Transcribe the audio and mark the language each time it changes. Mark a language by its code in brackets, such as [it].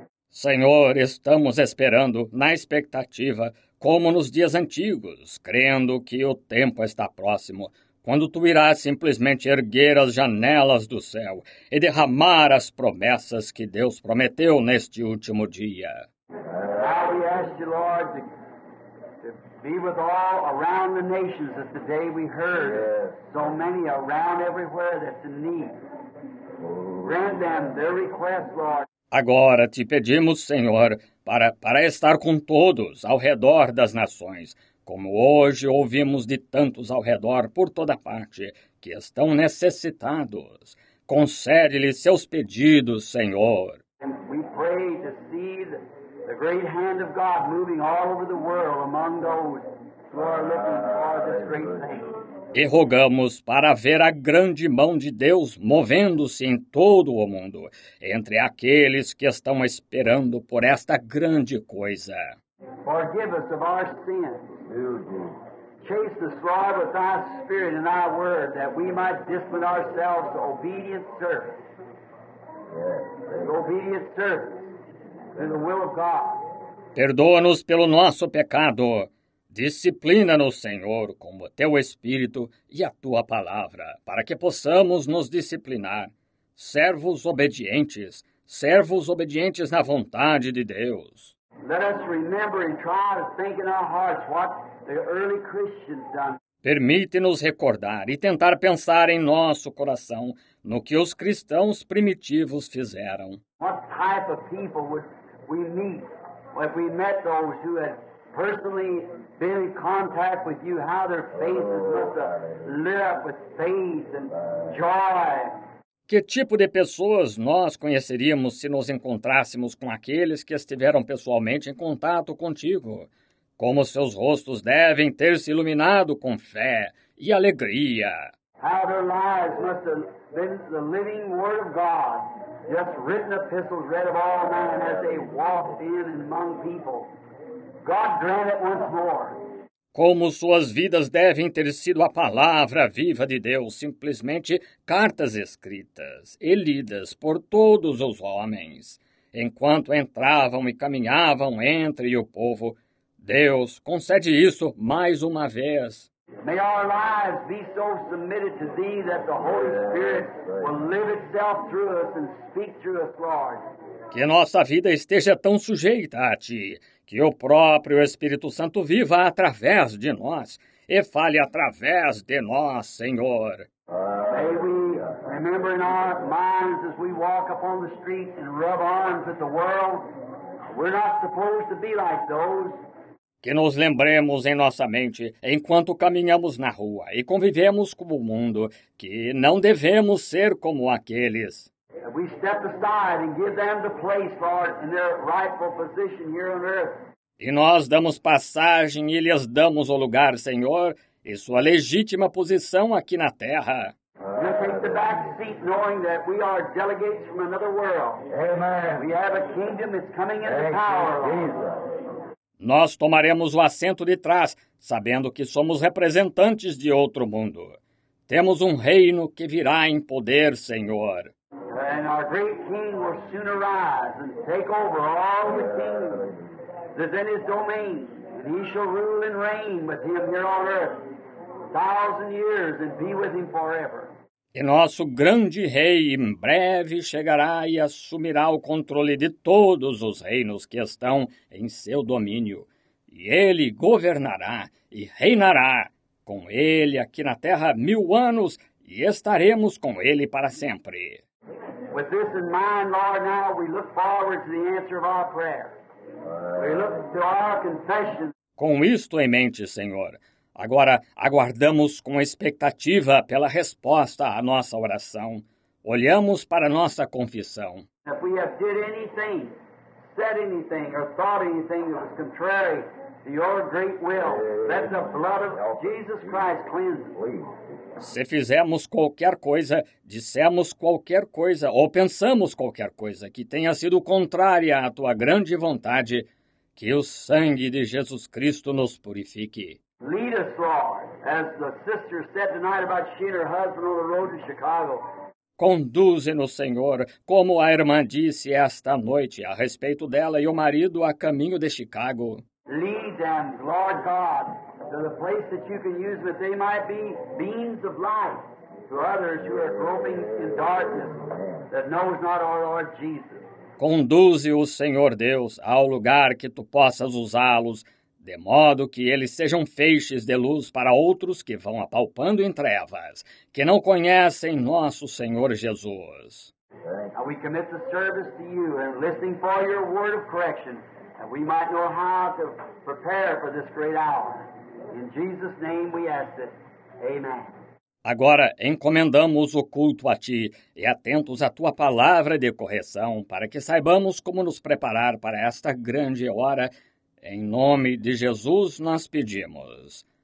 [pt] Senhor, estamos esperando, na expectativa, como nos dias antigos, crendo que o tempo está próximo, quando tu irás simplesmente erguer as janelas do céu e derramar as promessas que Deus prometeu neste último dia. [en] Now we ask you, Lord, to be with all around the nations as the day we heard, so many around everywhere that's in need. Grant them their request, Lord. [pt] Agora te pedimos, Senhor, para estar com todos ao redor das nações, como hoje ouvimos de tantos ao redor por toda parte, que estão necessitados. Concede-lhe seus pedidos, Senhor. [en] And we pray to see the great hand of God moving all over the world among those who are looking for this great thing. [pt] E rogamos para ver a grande mão de Deus movendo-se em todo o mundo, entre aqueles que estão esperando por esta grande coisa. [en] Forgive us of our sins. Chase us, Lord, with thy spirit and thy word, that we might discipline ourselves to obedient service. Yes. Obedient service in the will of God. [pt] Perdoa-nos pelo nosso pecado. Disciplina-nos, Senhor, com o Teu Espírito e a Tua Palavra, para que possamos nos disciplinar. Servos obedientes na vontade de Deus. [en] Let us remember and try to think in our hearts what the early Christians done. [pt] Permite-nos recordar e tentar pensar em nosso coração no que os cristãos primitivos fizeram. [en] What type of people would we meet if we met those who had personally been in contact with you, how their faces must have lit up with faith and joy. [pt] Que tipo de pessoas nós conheceríamos se nos encontrássemos com aqueles que estiveram pessoalmente em contato contigo? Como seus rostos devem ter se iluminado com fé e alegria? [en] How their lives must have been the living word of God, just written epistles read of all men as they walked in among people. God grant it once more. [pt] Como suas vidas devem ter sido a palavra viva de Deus, simplesmente cartas escritas e lidas por todos os homens. Enquanto entravam e caminhavam entre o povo, Deus concede isso mais uma vez. [en] May our lives be so submitted to thee that the Holy Spirit will live itself through us and speak through us, Lord. [pt] Que nossa vida esteja tão sujeita a Ti, que o próprio Espírito Santo viva através de nós e fale através de nós, Senhor. [en] May we remember in our minds as we walk upon the streets and rub arms with the world, we're not supposed to be like those. [pt] Que nos lembremos em nossa mente, enquanto caminhamos na rua e convivemos com o mundo, que não devemos ser como aqueles. [en] We step aside and give them the place, Lord, in their rightful position here on earth. [pt] E nós damos passagem e lhes damos o lugar, Senhor, e sua legítima posição aqui na terra. [en] We take the back seat knowing that we are delegates from another world. Amen. We have a kingdom that's coming into power. Jesus. [pt] Nós tomaremos o assento de trás, sabendo que somos representantes de outro mundo. Temos um reino que virá em poder, Senhor. [en] And our great king will soon arise and take over all the kingdoms that are in his domain. And he shall rule and reign with him here on earth 1,000 years and be with him forever. [pt] E nosso grande rei em breve chegará e assumirá o controle de todos os reinos que estão em seu domínio. E ele governará e reinará com ele aqui na terra 1,000 anos e estaremos com ele para sempre. [en] With this in mind, Lord, now we look forward to the answer of our prayer. We look to our confession. [pt] Com isto em mente, Senhor, agora aguardamos com expectativa pela resposta à nossa oração. Olhamos para nossa confissão. [en] If we have did anything, said anything, or thought anything that was contrary to your great will, let the blood of Jesus Christ cleanse us. [pt] Se fizemos qualquer coisa, dissemos qualquer coisa ou pensamos qualquer coisa que tenha sido contrária à tua grande vontade, que o sangue de Jesus Cristo nos purifique. [en] Lead us, Lord, as the sister said tonight about she and her husband on the road to Chicago. [pt] Conduze-nos, Senhor, como a irmã disse esta noite a respeito dela e o marido a caminho de Chicago. [en] Lead them, Lord God, to the place that you can use that they might be beams of light to others who are groping in darkness that knows not our Lord Jesus. [pt] Conduze-os, Senhor Deus, ao lugar que tu possas usá-los, de modo que eles sejam feixes de luz para outros que vão apalpando em trevas, que não conhecem nosso Senhor Jesus. [en] And we commit the service to you and listening for your word of correction, that we might know how to prepare for this great hour. In Jesus' name we ask it. Amen. [pt] Agora encomendamos o culto a ti e atentos à tua palavra de correção, para que saibamos como nos preparar para esta grande hora. Em nome de Jesus nós pedimos.